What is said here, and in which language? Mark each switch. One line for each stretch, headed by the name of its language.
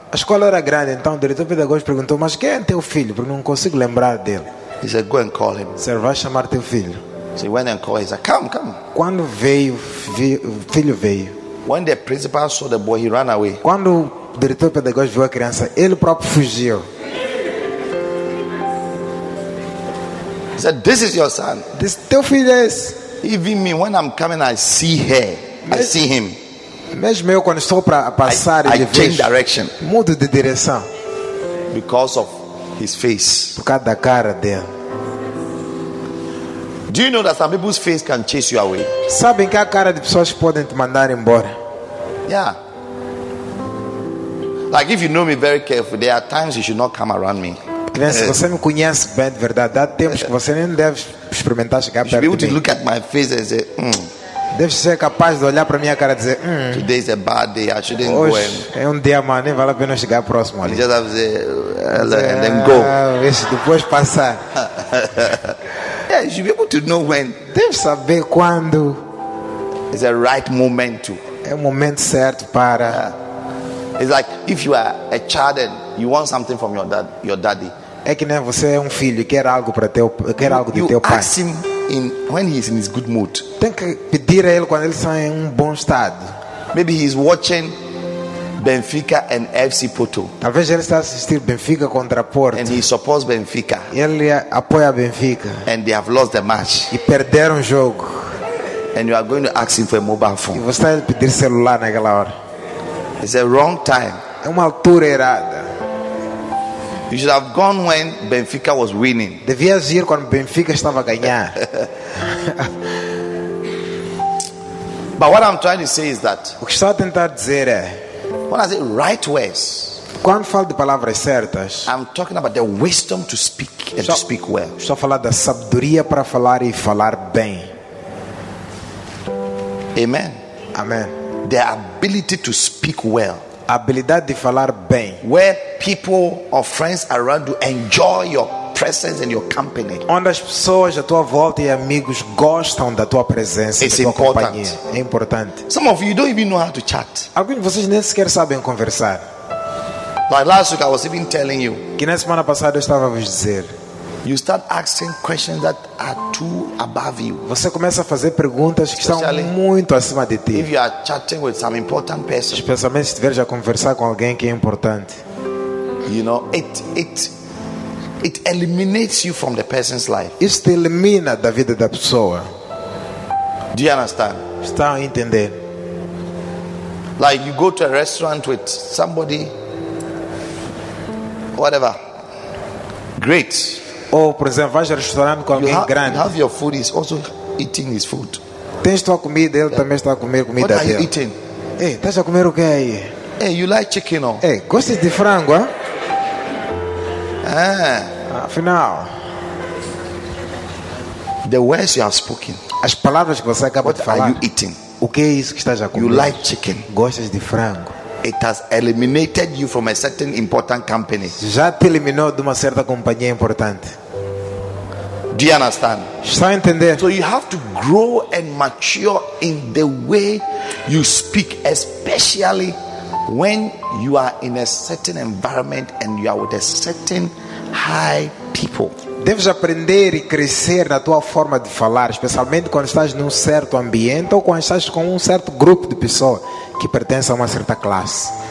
Portuguese: A escola era grande, então o diretor pedagógico perguntou, "Mas quem é teu filho? Porque não consigo lembrar dele."
English: He said, "Go and call him."
Portuguese: Você vai chamar teu filho.
English: So he went and called. He said, "Come, come."
Portuguese: Quando veio, o filho veio.
English: When the principal saw the boy, he ran away.
Portuguese: Quando o diretor pedagógico viu a criança, ele próprio fugiu.
English: He said, "This is your son."
Portuguese: This teu filho é esse.
English: Even me, when I'm coming, I see her. I see him.
Portuguese: Mesmo eu quando estou para passar,
English: I change direction.
Portuguese: Mudo de direção.
English: Because of his face.
Portuguese: Por causa da cara dele.
English: Do you know that some people's face can chase you away?
Portuguese: Sabem que a cara de pessoas podem te mandar embora?
English: Yeah. Like if you know me very carefully, there are times you should not come around me.
Portuguese: Se você me conhece bem de verdade, há tempos que você nem deve experimentar chegar perto de mim.
English: You should be able to look at my face and say,
Portuguese: Deve ser capaz de olhar para minha cara e dizer,
English: Today is a bad day. I shouldn't
Portuguese: hoje
English: go.
Portuguese: Hoje é dia mal, nem vale a pena chegar próximo ali.
English: You just have to say, hello, and then go.
Portuguese: Isso depois passar.
English: Yeah, you should be able to know when.
Portuguese: Deve saber quando.
English: It's the right moment to.
Portuguese: É o momento certo para.
English: It's like if you are a child and you want something from your daddy.
Portuguese: É que nem você é um filho e quer algo para teu, quer algo de teu pai.
English: You ask him in when he is in his good mood.
Portuguese: Tem que pedir a ele quando ele está em bom estado.
English: Maybe he is watching Benfica and FC Porto.
Portuguese: Talvez ele está assistindo Benfica contra Porto.
English: And he supports Benfica.
Portuguese: Ele apoia Benfica.
English: And they have lost the match.
Portuguese: E perderam o jogo.
English: And you are going to ask him for a mobile phone.
Portuguese: E você está a pedir celular naquela hora.
English: It's a wrong time.
Portuguese: É uma altura errada.
English: You should have gone when Benfica was winning.
Portuguese: Devia ir quando Benfica estava a ganhar.
English: But what I'm trying to say is that.
Portuguese: O que estou a tentar dizer é.
English: When I say right words.
Portuguese: Quando falo de palavras certas.
English: I'm talking about the wisdom to speak and to speak well.
Portuguese: Estou a falar da sabedoria para falar e falar bem.
English: Amen.
Portuguese: Amen.
English: The ability to speak well.
Portuguese: Habilidade de falar bem.
English: Where people or friends around you enjoy your presence and your company.
Portuguese: Onde as pessoas à tua volta e amigos gostam da tua presença e da tua companhia. É importante.
English: Some of you don't even know how to chat.
Portuguese: Alguns de vocês nem sequer sabem conversar.
English: Like last week I was even telling you.
Portuguese: Que na semana passada eu estava a vos dizer.
English: You start asking questions that are too above you.
Portuguese: Você começa a fazer perguntas que estão muito acima de ti.
English: If you are chatting with some important person.
Portuguese: Especialmente se estiver a conversar com alguém que é importante.
English: You know, it eliminates you from the person's life.
Portuguese: Isso te elimina da vida da pessoa.
English: Do you understand?
Portuguese: Está a entender?
English: Like you go to a restaurant with somebody, whatever. Great.
Portuguese: Ou, por exemplo, vais ao restaurante com alguém grande.
English: You have your food, he's also eating his food.
Portuguese: Tens tua comida, ele também está a comer comida dele.
English: What are you eating?
Portuguese: Ei, estás a comer o que aí?
English: Hey, you like chicken, ó?
Portuguese: Ei, gostas de frango, hã? Ah. Afinal.
English: The words you have spoken.
Portuguese: As palavras que você acaba de falar.
English: What are you eating?
Portuguese: O que é isso que estás a comer?
English: You like chicken.
Portuguese: Gostas de frango.
English: It has eliminated you from a certain important company.
Portuguese: Já te eliminou de uma certa companhia importante.
English: Do you understand?
Portuguese: Está a entender?
English: So you have to grow and mature in the way you speak, especially when you are in a certain environment and you are with a certain high people.
Portuguese: Deves aprender e crescer na tua forma de falar, especialmente quando estás num certo ambiente ou quando estás com um certo grupo de pessoas que pertence a uma certa classe.